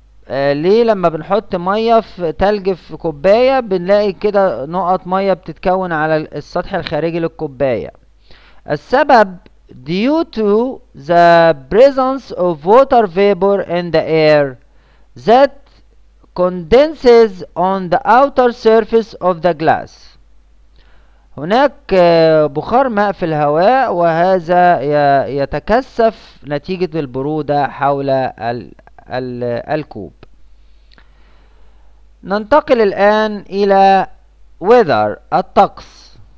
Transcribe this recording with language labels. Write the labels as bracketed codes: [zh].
[ar] ليه لما بنحط مية في تلج في كوباية بنلاقي كده نقط مية بتتكون على السطح الخارجي للكوباية. [en] السبب due to the presence of water vapor in the air that condenses on the outer surface of the glass. [ar] هناك بخار ماء في الهواء وهذا يتكثف نتيجة البرودة حول الكوب. ننتقل الآن إلى weather الطقس.